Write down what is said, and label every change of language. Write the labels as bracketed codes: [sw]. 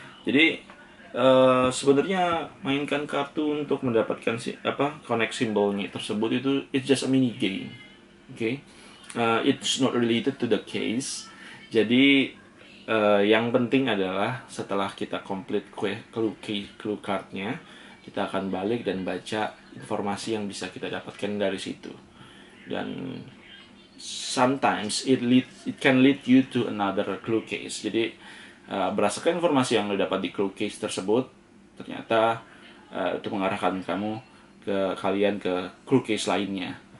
[id] Jadi sebenarnya mainkan kartu untuk mendapatkan connect symbolnya tersebut itu [en] it's just a mini game, okay? It's not related to the case. [id] Jadi yang penting adalah setelah kita complete clue cardnya, kita akan balik dan baca informasi yang bisa kita dapatkan dari situ. [en] Dan sometimes it can lead you to another clue case. [id] Jadi berdasarkan informasi yang lo dapat di clue case tersebut, ternyata itu mengarahkan kalian ke clue case lainnya.